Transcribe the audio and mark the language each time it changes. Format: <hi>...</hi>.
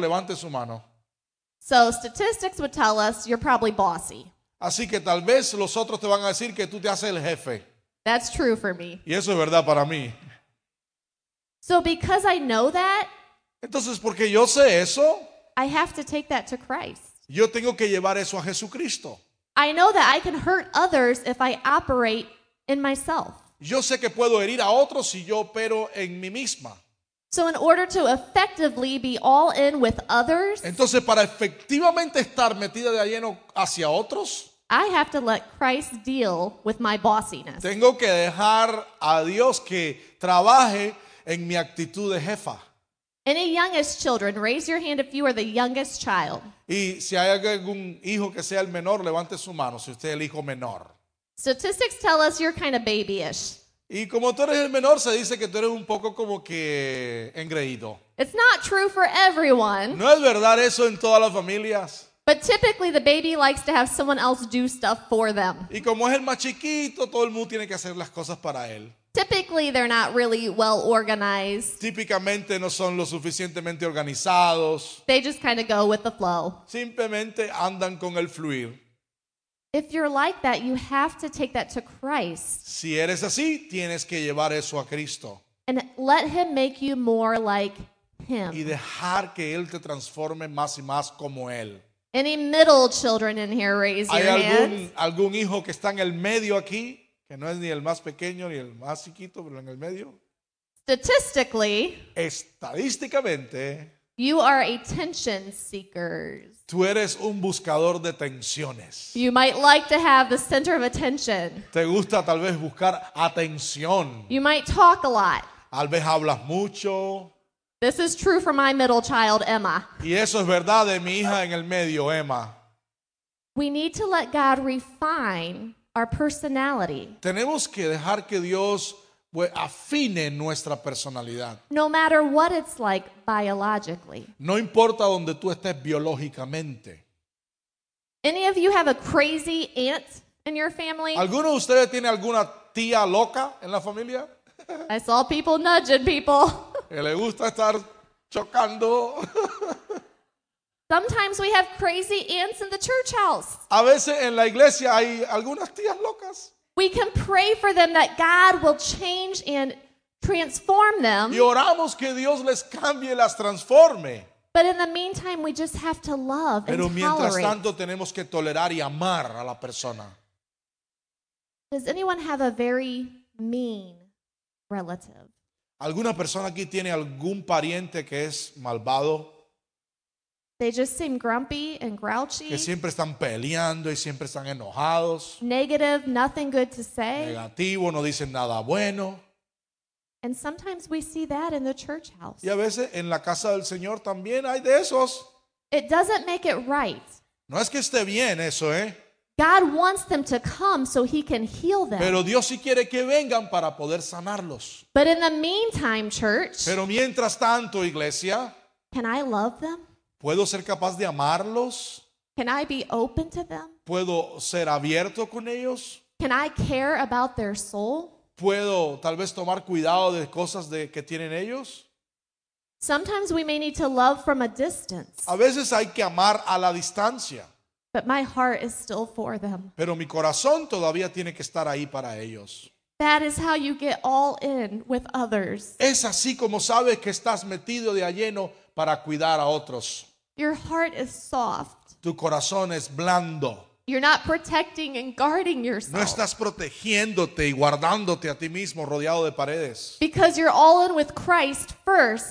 <es>Levante su mano.</es> <en>So statistics would tell us you're probably bossy.</en> <es>Así que tal vez los otros te van a decir que tú te haces el jefe.</es> <en>That's true for me.</en> <es>Y eso es verdad para mí.</es> <en>So because I know that,</en> <es>entonces porque yo sé eso,</es> <en>I have to take that to Christ.</en> <es>Yo tengo que llevar eso a Jesucristo.</es> <en>I know that I can hurt others if I operate in myself.</en> <es>Yo sé que puedo herir a otros si yo opero en mí misma.</es> <en>So in order to effectively be all in with others,</en> <es>entonces para efectivamente estar metida de lleno hacia otros,</es> <en>I have to let Christ deal with my bossiness.</en> <es>Tengo que dejar a Dios que trabaje en mi actitud de jefa.</es> <en>Any youngest children, raise your hand if you are the youngest child.</en> <es>Y si hay algún hijo que sea el menor, levante su mano si usted es el hijo menor.</es> <en>Statistics tell us you're kind of babyish.</en> <es>Y como tú eres el menor, se dice que tú eres un poco como que engreído.</es> <en>It's not true for everyone.</en> <es>No es verdad eso en todas las familias.</es> <en>But typically the baby likes to have someone else do stuff for them.</en> <es>Y como es el más chiquito, todo el mundo tiene que hacer las cosas para él.</es> <en>Typically they're not really well organized.</en> <es>Típicamente no son lo suficientemente organizados.</es> <en>They just kind of go with the flow.</en> <es>Simplemente andan con el fluir.</es> <en>If you're like that, you have to take that to Christ.</en> <es>Si eres así, tienes que llevar eso a Cristo.</es> <en>And let him make you more like him.</en> <es>Y dejar que él te transforme más y más como él.</es> <en>Any middle children in here, raise your</en> <es>hands. ¿Hay algún hijo que está en el medio aquí? que no es ni el más pequeño ni el más chiquito, pero en el medio.</es> <en>Statistically,</en> <es>estadísticamente,</es> <en>you are attention seekers.</en> <es>Tú eres un buscador de tensiones.</es> <en>You might like to have the center of attention.</en> <es>Te gusta tal vez buscar atención.</es> <en>You might talk a lot.</en> <es>Tal vez hablas mucho.</es> <en>This is true for my middle child, Emma.</en> <es>Y eso es verdad de mi hija en el medio, Emma.</es> <en>We need to let God refine our personality.</en> <es>Tenemos que dejar que Dios afine nuestra personalidad.</es> <en>No matter what it's like biologically.</en> <es>No importa donde tú estés biológicamente.</es> <en>Any of you have a crazy aunt in your family?</en> <es>¿Alguno de ustedes tiene alguna tía loca en la familia?</es> <en>I saw people nudging people.</en> <es>Que le gusta estar chocando.</es> <en>Sometimes we have crazy aunts in the church house.</en> <es>A veces en la iglesia hay algunas tías locas.</es> <en>We can pray for them that God will change and transform them.</en> <es>Y oramos que Dios les cambie y las transforme.</es> <en>But in the meantime, we just have to love</en> <es>Pero</es> <en>and tolerate.</en> <es>Pero mientras tanto tenemos que tolerar y amar a la persona.</es> <en>Does anyone have a very mean relative?</en> <es>¿Alguna persona aquí tiene algún pariente que es malvado?</es> <en>They just seem grumpy and grouchy.</en> <es>Que siempre están peleando y siempre están enojados.</es> <en>Negative, nothing good to say.</en> <es>Negativo, no dicen nada bueno.</es> <en>And sometimes we see that in the church house.</en> <es>Y a veces en la casa del Señor también hay de esos.</es> <en>It doesn't make it right.</en> <es>No es que esté bien eso, ¿eh?</es> <en>God wants them to come so he can heal them.</en> <es>Pero Dios sí quiere que vengan para poder sanarlos.</es> <en>But in the meantime, church.</en> <es>Pero mientras tanto, iglesia.</es> <en>Can I love them?</en> <es>¿Puedo ser capaz de amarlos?</es> <en>Can I be open to them?</en> <es>¿Puedo ser abierto con ellos?</es> <en>Can I care about their soul?</en> <es>¿Puedo tal vez tomar cuidado de cosas de, que tienen ellos?</es> <en>Sometimes we may need to love from a distance.</en> <es>A veces hay que amar a la distancia.</es> <en>But my heart is still for them.</en> <es>Pero mi corazón todavía tiene que estar ahí para ellos.</es> <en>That is how you get all in with others.</en> <es>Es así como sabes que estás metido de a lleno para cuidar a otros.</es> <en>Your heart is soft.</en> <es>Tu corazón es blando.</es> <en>You're not protecting and guarding yourself.</en> <es>No estás protegiéndote y guardándote a ti mismo rodeado de paredes.</es> <en>Because you're all in with Christ first.</en>